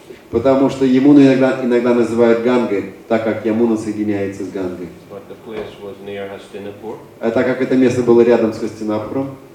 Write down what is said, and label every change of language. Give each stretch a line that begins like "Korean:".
Russian: Потому что Ямуну иногда называют Гангой, так как Ямуна соединяется с Гангой.
English: But the place was near Hastinapur.
Russian: А так как это место было рядом с Хастинапуром,